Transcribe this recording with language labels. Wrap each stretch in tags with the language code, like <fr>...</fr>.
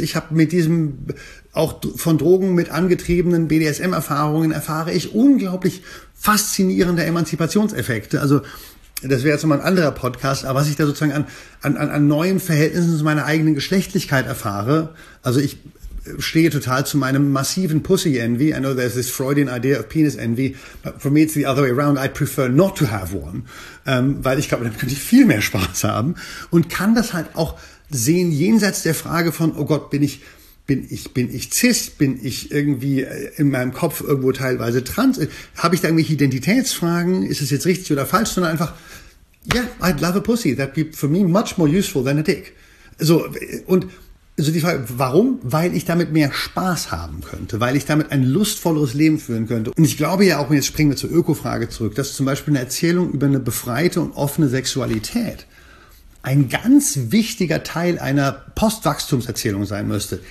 <de>Ich habe mit diesem auch von Drogen mit angetriebenen BDSM-Erfahrungen erfahre ich unglaublich faszinierende Emanzipationseffekte. Also das wäre jetzt nochmal ein anderer Podcast. Aber was ich da sozusagen an neuen Verhältnissen zu meiner eigenen Geschlechtlichkeit erfahre, also ich stehe total zu meinem massiven Pussy-Envy.</de> <en>I know there's this Freudian idea of Penis-Envy, but for me it's the other way around. I'd prefer not to have one,</en> <de>weil ich glaube, damit könnte ich viel mehr Spaß haben und kann das halt auch sehen jenseits der Frage von, oh Gott, bin ich Bin ich cis? Bin ich irgendwie in meinem Kopf irgendwo teilweise trans? Habe ich da irgendwelche Identitätsfragen? Ist es jetzt richtig oder falsch? Sondern einfach,</de> <en>yeah, I'd love a pussy. That'd be for me much more useful than a dick.</en> <de>So, und so die Frage, warum? Weil ich damit mehr Spaß haben könnte, weil ich damit ein lustvolleres Leben führen könnte. Und ich glaube ja auch, und jetzt springen wir zur Öko-Frage zurück, dass zum Beispiel eine Erzählung über eine befreite und offene Sexualität ein ganz wichtiger Teil einer Postwachstumserzählung sein müsste.</de>